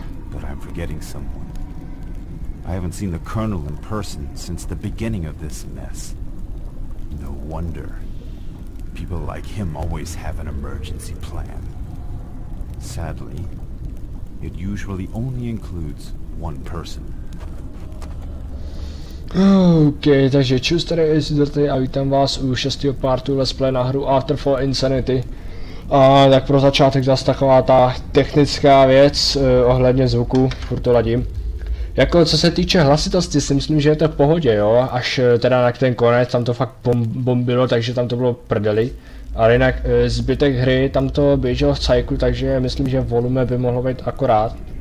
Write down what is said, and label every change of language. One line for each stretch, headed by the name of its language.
English: But I'm forgetting someone. I haven't seen the Colonel in person since the beginning of this mess. No wonder. People like him always have an emergency plan. Sadly, it usually only includes one person.
Czech: OK, takže čus, tady je Zdrty a vítám vás u 6. partu Let's Play na hru After Fall Insanity. A tak pro začátek zase taková ta technická věc ohledně zvuku, furt to ladím. Jako co se týče hlasitosti, si myslím, že je to v pohodě, jo, až teda na ten konec, tam to fakt bombilo, takže tam to bylo prdeli. Ale jinak zbytek hry, tam to běželo v cajku, takže myslím, že volume by mohlo být akorát.